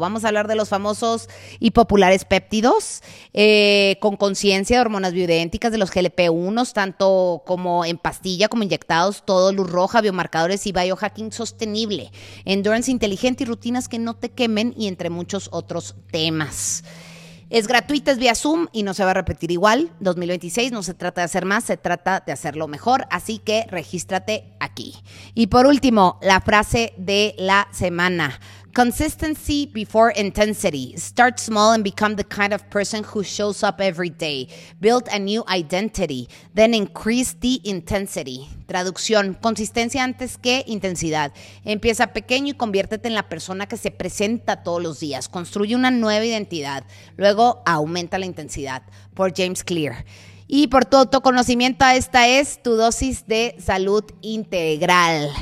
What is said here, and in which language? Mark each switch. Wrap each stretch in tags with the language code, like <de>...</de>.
<es>Vamos a hablar de los famosos y populares péptidos con conciencia de hormonas bioidénticas, de los GLP-1, tanto como en pastilla, como inyectados, todo luz roja, biomarcadores y biohacking sostenible, endurance inteligente y rutinas que no te quemen y entre muchos otros temas. Es gratuita, es vía Zoom y no se va a repetir igual. 2026 no se trata de hacer más, se trata de hacerlo mejor. Así que regístrate aquí. Y por último, la frase de la semana.</es> <en>Consistency before intensity. Start small and become the kind of person who shows up every day. Build a new identity. Then increase the intensity.</en> <es>Traducción. Consistencia antes que intensidad. Empieza pequeño y conviértete en la persona que se presenta todos los días. Construye una nueva identidad. Luego aumenta la intensidad. Por James Clear. Y por tu autoconocimiento, esta es tu dosis de salud integral.</es>